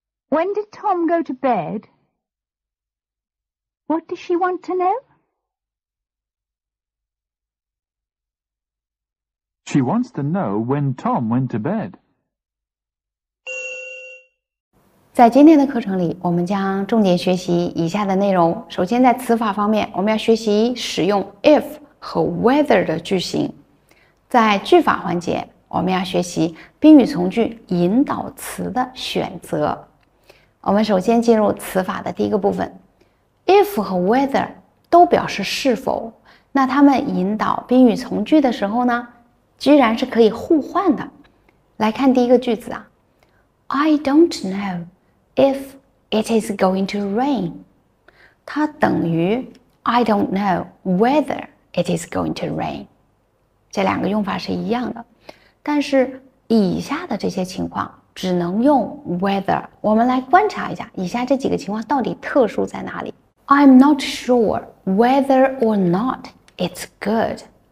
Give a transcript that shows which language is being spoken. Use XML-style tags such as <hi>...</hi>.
<en>When did Tom go to bed? What does she want to know? She wants to know when Tom went to bed.</en> <zh>在今天的课程里，我们将重点学习以下的内容。首先在词法方面，我们要学习使用 if 和 whether 的句型。在句法环节，我们要学习宾语从句引导词的选择。我们首先进入词法的第一个部分。 If 和 whether 都表示是否，那它们引导宾语从句的时候呢，居然是可以互换的。来看第一个句子啊。</zh> <en>I don't know if it is going to rain.</en> <zh>它等于</zh> <en>I don't know whether it is going to rain.</en> <zh>这两个用法是一样的，但是以下的这些情况只能用 whether. 我们来观察一下以下这几个情况到底特殊在哪里。</zh> <en>I'm not sure whether or not it's good.</en>